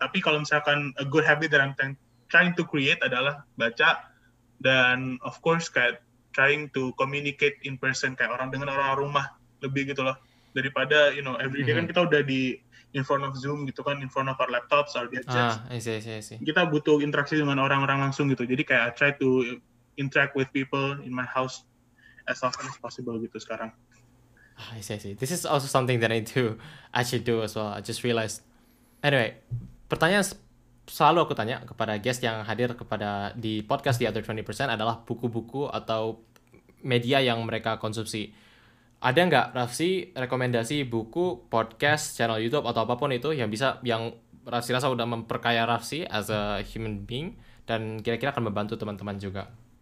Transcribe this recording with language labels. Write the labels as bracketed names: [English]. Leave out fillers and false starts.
[Indonesian] Tapi kalau misalkan [English] a good habit that I'm trying to create [Indonesian] adalah baca, dan [English] of course kayak trying to communicate in person, [Indonesian] kayak orang dengan orang rumah lebih gitu loh, daripada [English] you know every day kan [Indonesian] kita udah di [English] in front of Zoom [Indonesian] gitu kan, [English] in front of our laptops or gadgets. I see. [Indonesian] Kita butuh interaksi dengan orang-orang langsung gitu. Jadi kayak [English] I try to interact with people in my house as often as possible [Indonesian] gitu sekarang. [English] I see. This is also something that I do actually do as well. I just realized. [Indonesian] Anyway, pertanyaan selalu aku tanya kepada guest yang hadir kepada di podcast The Other 20% adalah buku-buku atau media yang mereka konsumsi. Ada nggak, Rafsi, rekomendasi buku, podcast, channel YouTube, atau apapun itu yang bisa, yang Rafsi rasa udah memperkaya Rafsi [English] as a human being [Indonesian] dan kira-kira akan membantu teman-teman juga?